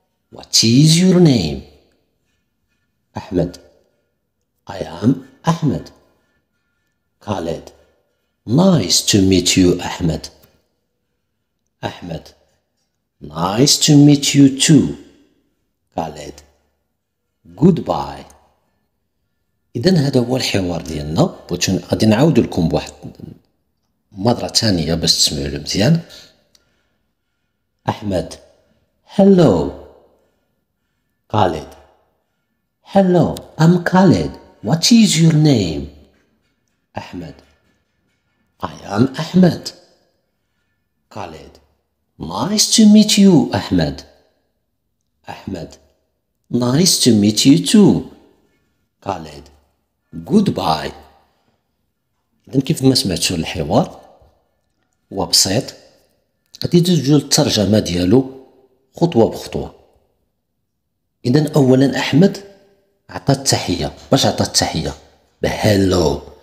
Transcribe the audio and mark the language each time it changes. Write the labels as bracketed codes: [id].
[en] What is your name? أحمد: I am Ahmed. Khalid: Nice to meet you, Ahmed. Ahmed: Nice to meet you too. Khalid: Goodbye. [ar] إذن هذا هو الحوار ديالنا، وغادي نعاود لكم بواحد مرة ثانية باش تسمعوا مزيان. [en] أحمد: Hello. Khalid: Hello, I'm Khalid. What is your name? Ahmed: I am Ahmed. Khalid: Nice to meet you, Ahmed. Ahmed: Nice to meet you too. Khalid: Goodbye. [ar] إذن كيف ما سمعتوا الحوار، هو بسيط، غادي تجيو الترجمة ديالو خطوة بخطوة. إذن أولا أحمد عطى التحية. باش عطى التحية؟ بهلو.